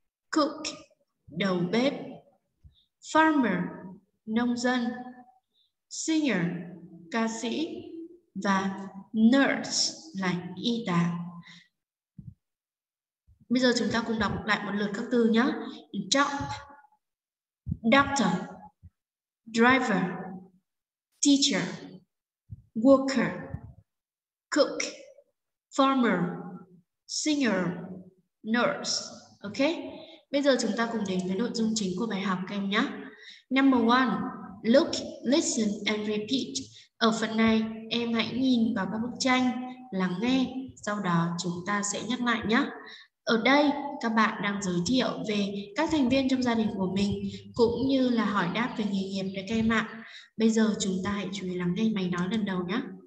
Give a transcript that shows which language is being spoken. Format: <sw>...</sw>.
<vi>Cook, đầu bếp. Farmer, nông dân. Singer, ca sĩ. Và nurse, là y tá. Bây giờ chúng ta cùng đọc lại một lượt các từ nhé.</vi> <en>Job, doctor, driver, teacher, worker, cook, farmer, singer, nurse.</en> <vi>Ok, bây giờ chúng ta cùng đến với nội dung chính của bài học các em nhé.</vi> <en>Number one, look, listen and repeat.</en> <vi>Ở phần này, em hãy nhìn vào các bức tranh, lắng nghe, sau đó chúng ta sẽ nhắc lại nhé. Ở đây, các bạn đang giới thiệu về các thành viên trong gia đình của mình, cũng như là hỏi đáp về nghề nghiệp để các em ạ. Bây giờ chúng ta hãy chú ý lắng nghe mày nói lần đầu nhé.</vi>